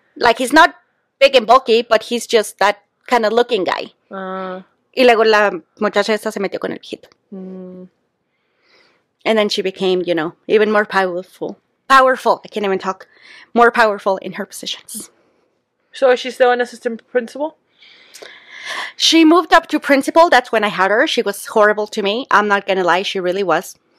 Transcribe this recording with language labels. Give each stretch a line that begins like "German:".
English: Like, he's not big and bulky, but he's just that kind of looking guy.
Spanish: Y luego la muchacha esta se metió con el viejito.
English: And then she became, you know, even more powerful. Powerful. I can't even talk. More powerful in her positions. So is she still an assistant principal? She moved up to principal. That's when I had her. She was horrible to me. I'm not going to lie. She really was.